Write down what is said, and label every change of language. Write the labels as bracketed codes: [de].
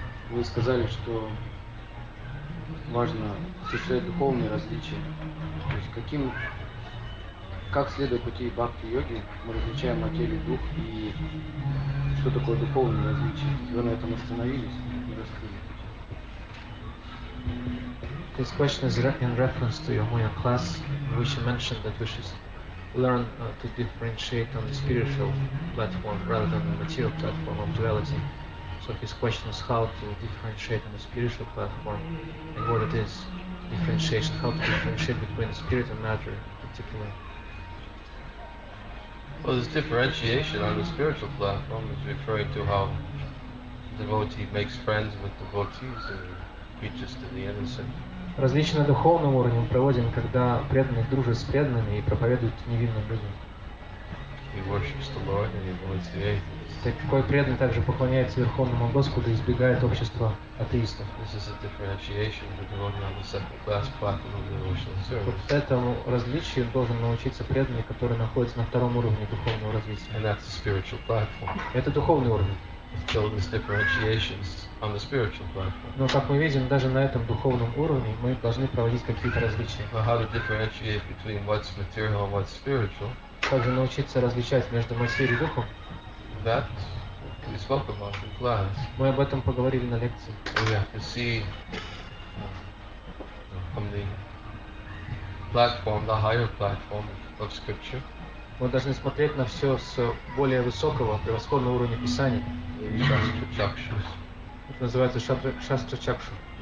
[ru] Вы сказали, что важно осуществлять духовные различия. То есть каким... Как, следуя пути бхакти-йоги, мы различаем материю, дух и что такое духовное различие? Вы на этом остановились и раскрыли. [en] This question is in reference to your Moya class, in which you mentioned that we should learn to differentiate on the spiritual platform rather than the material platform of duality. So his question is how to differentiate on the spiritual platform and what it is differentiation, how to differentiate between spirit and matter, particularly. Well, this differentiation on the spiritual platform is referring to how devotee makes friends with devotees and preaches to the innocent. [ru] Различие на духовном уровне мы проводим, когда преданные дружат с преданными и проповедуют невинным людям. [en] He worships the Lord and he avoids the atheists. [ru] Так какой преданный также поклоняется Верховному Господу и избегает общества атеистов. [en] This is a differentiation between on the second class platform of devotional service. [ru] Вот этому различию должен научиться преданный, который находится на втором уровне духовного развития. [en] And that's the spiritual platform. [ru] Это духовный уровень. [en] Still, this differentiation is on the spiritual platform. [ru] Но как мы видим, даже на этом духовном уровне мы должны проводить какие-то различия. [en] Well, how to differentiate between what's material and what's spiritual? [ru] Как же научиться различать между материей и духом? [en] That we spoke about in class. [ru] Мы об этом поговорили на лекции. [en] We have to see from the platform, the higher platform of scripture. [ru] Мы должны смотреть на все с более высокого, превосходного уровня Писания. Шастра-чакшус. Это называется шастра-чакшу.